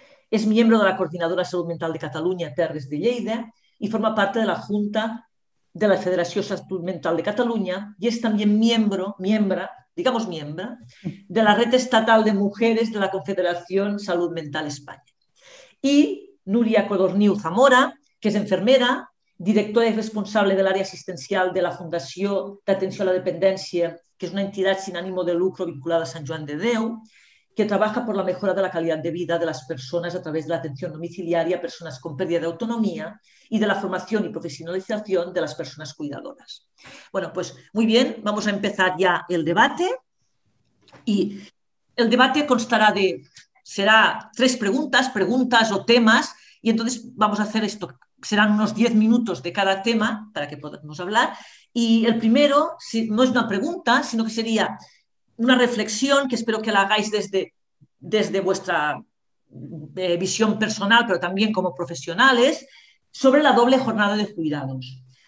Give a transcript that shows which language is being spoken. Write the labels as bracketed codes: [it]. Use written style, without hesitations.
[es] Es miembro de la Coordinadora Salud Mental de Cataluña, Terres de Lleida, y forma parte de la Junta de la Federación Salud Mental de Cataluña y es también miembro de la Red Estatal de Mujeres de la Confederación Salud Mental España. [ca] Y Nuria Codorniu Zamora, [es] que es enfermera, directora y responsable de [ca] l'àrea assistencial de la Fundació d'Atenció a la Dependència, que és una entitat sin ànim de lucro vinculada a Sant Joan de Déu, que treballa per la millora de la qualitat de vida de les persones a través de l'atenció domiciliària a persones amb pèrdua d'autonomia i de la formació i professionalització de les persones cuidadores. [es] Bueno, pues muy bien, vamos a empezar ya el debate. Y el debate constará de, será tres preguntas o temas, y entonces vamos a hacer esto. Serán unos 10 minutos de cada tema para que podamos hablar Y el primero, si, no es una pregunta, sino que sería una reflexión que espero que la hagáis desde vuestra visión personal, pero también como profesionales, sobre la doble jornada de cuidados.